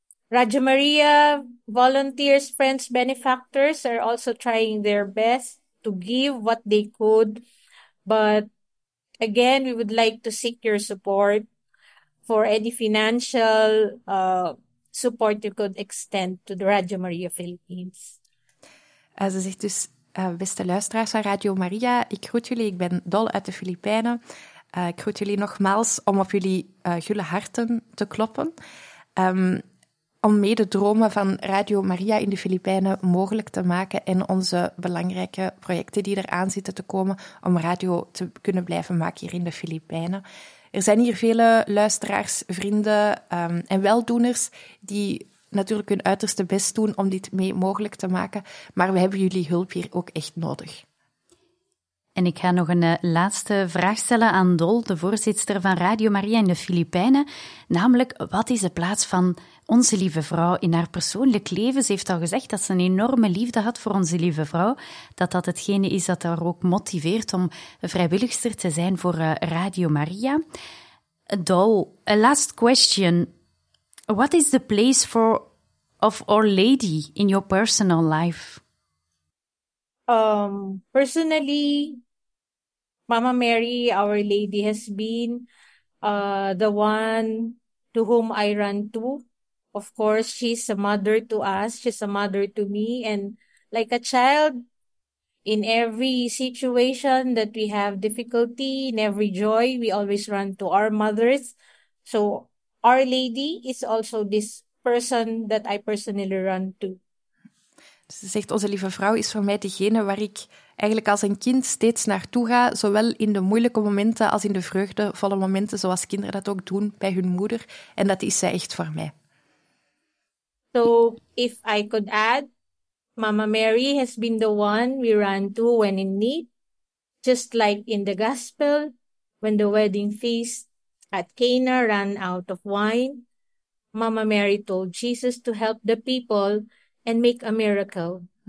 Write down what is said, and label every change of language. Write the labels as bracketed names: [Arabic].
[English] Radio Maria volunteers, friends, benefactors are also trying their best to give what they could. But again, we would like to seek your support for any financial support you could extend to the Radio Maria Philippines. [Dutch] Ze zegt dus, beste luisteraars van Radio Maria, ik groet jullie, ik ben Dol uit de Filipijnen. Ik groet jullie nogmaals om op jullie gulle harten te kloppen. Om mee de dromen van Radio Maria in de Filipijnen mogelijk te maken en onze belangrijke projecten die eraan zitten te komen om radio te kunnen blijven maken hier in de Filipijnen. Er zijn hier vele luisteraars, vrienden en weldoeners die natuurlijk hun uiterste best doen om dit mee mogelijk te maken. Maar we hebben jullie hulp hier ook echt nodig. En ik ga nog een laatste vraag stellen aan Dol, de voorzitter van Radio Maria in de Filipijnen. Namelijk, wat is de plaats van Onze Lieve Vrouw in haar persoonlijk leven? Ze heeft al gezegd dat ze een enorme liefde had voor Onze Lieve Vrouw. Dat dat hetgene is dat haar ook motiveert om vrijwilligster te zijn voor Radio Maria. [English] Dol, a last question. What is the place of Our Lady in your personal life? Personally, Mama Mary, Our Lady, has been the one to whom I run to. Of course, she's a mother to us. She's a mother to me. And like a child, in every situation that we have difficulty, in every joy, we always run to our mothers. So Our Lady is also this person that I personally run to. [Dutch] Ze zegt, Onze Lieve Vrouw is voor mij degene waar ik eigenlijk als een kind steeds naartoe ga, zowel in de moeilijke momenten als in de vreugdevolle momenten, zoals kinderen dat ook doen bij hun moeder. En dat is zij echt voor mij. [English] So, if I could add, Mama Mary has been the one we run to when in need, just like in the gospel, when the wedding feast at Cana ran out of wine, Mama Mary told Jesus to help the people and make a miracle.